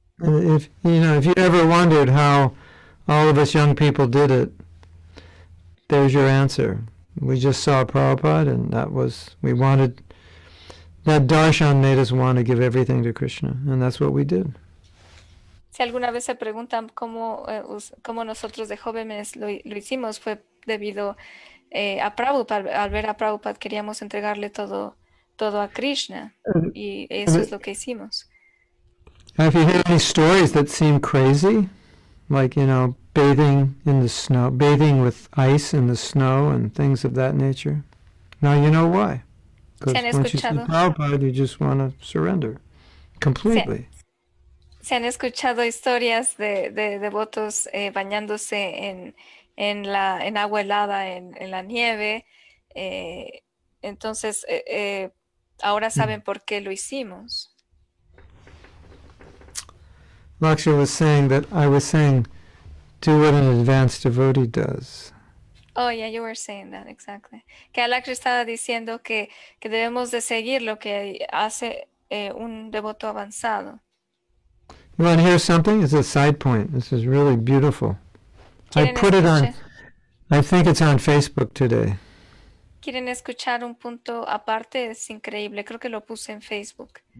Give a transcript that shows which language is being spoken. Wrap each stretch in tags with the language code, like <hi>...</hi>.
<en>If, you know, if you ever wondered how all of us young people did it, there's your answer. We just saw Prabhupada and we wanted... That darshan made us want to give everything to Krishna, and that's what we did.</en> <es>Si alguna vez se preguntan cómo nosotros de jóvenes lo hicimos, fue debido a Prabhupada. Al ver a Prabhupada, queríamos entregarle todo a Krishna, y eso es lo que hicimos.</es> <en>Have you heard any stories that seem crazy? Like, you know, bathing in the snow, bathing with ice in the snow and things of that nature? Now you know why. Because once you see Prabhupada, you just want to surrender completely.</en> <es>¿Se han escuchado historias de devotos bañándose en agua helada, en la nieve? Entonces, ahora saben por qué lo hicimos.</es> <en>Lakshya was saying that I was saying, do what an advanced devotee does. Oh, yeah, you were saying that, exactly.</en> <es>Que Alakri estaba diciendo que debemos de seguir lo que hace un devoto avanzado.</es> <en>You want to hear something? It's a side point. This is really beautiful. I put</en> <es>escuchar?</es> <en>It on, I think it's on Facebook today.</en> <es>¿Quieren escuchar un punto aparte? Es increíble. Creo que lo puse en Facebook.</es>